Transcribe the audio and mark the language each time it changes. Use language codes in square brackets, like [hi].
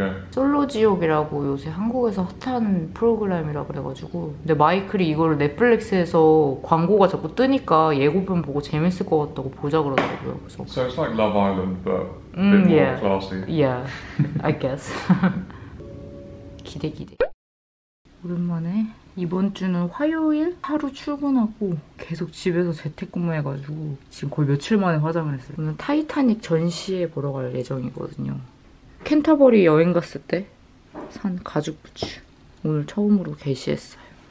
[ko] '솔로지옥'이라고 요새 한국에서 핫한 프로그램이라 그래가지고 근데 마이클이 이걸 넷플릭스에서 광고가 자꾸 뜨니까 예고편 보고 재밌을 것 같다고 보자 그러더라고요. 그래서. [en] So it's like Love Island, but a bit more yeah. classy. Yeah, I guess. [ko] 기대 기대. 오랜만에 이번 주는 화요일 하루 출근하고 계속 집에서 재택근무해가지고 지금 거의 며칠 만에 화장을 했어요. 오늘 타이타닉 전시회 보러 갈 예정이거든요. 캔터버리 여행 갔을 때 산 가죽 부츠 오늘 처음으로 게시했어요.